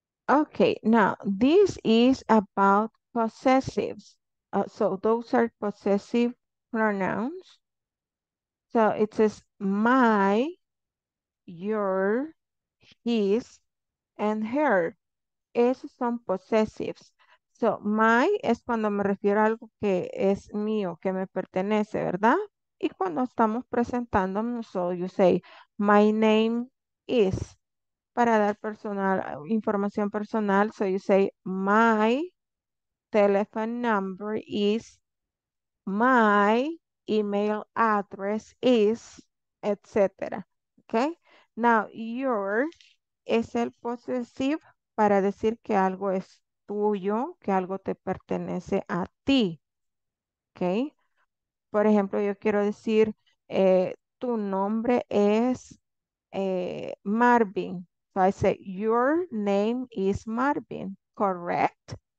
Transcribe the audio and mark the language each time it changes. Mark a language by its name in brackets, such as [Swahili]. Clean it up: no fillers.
[English] Okay, now this is about possessives. So those are possessive pronouns. So it says my, your, his, and her. [Spanish] Esos son possessives. So my es cuando me refiero a algo que es mío, que me pertenece, ¿verdad? Y cuando estamos presentándonos, [English] so you say my name is. [Spanish] Para dar personal, información personal, [English] so you say, my telephone number is, my email address is, etc. Okay? [Spanish] Now, your es el possessive para decir que algo es tuyo, que algo te pertenece a ti. Okay? Por ejemplo, yo quiero decir, tu nombre es Marvin. [English] So I say, your name is Marvin, correct?